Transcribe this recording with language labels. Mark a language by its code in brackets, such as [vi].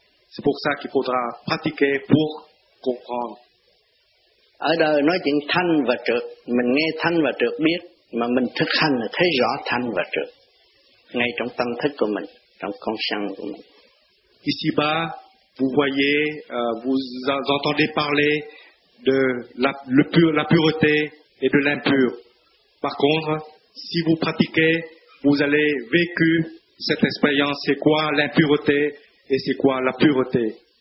[fr] C'est pour ça qu'il faudra pratiquer pour comprendre. [vi] Ở đời nói chuyện thanh và trượt, mình nghe thanh và trượt biết, mà mình thực hành thì thấy rõ thanh và trượt ngay trong tâm thức của mình, trong con sân của mình. [fr] Ici-bas, vous voyez, vous entendez parler de la pureté et de l'impur. Par contre, si vous pratiquez, vous allez vécu cette expérience, c'est quoi l'impureté et c'est quoi la pureté.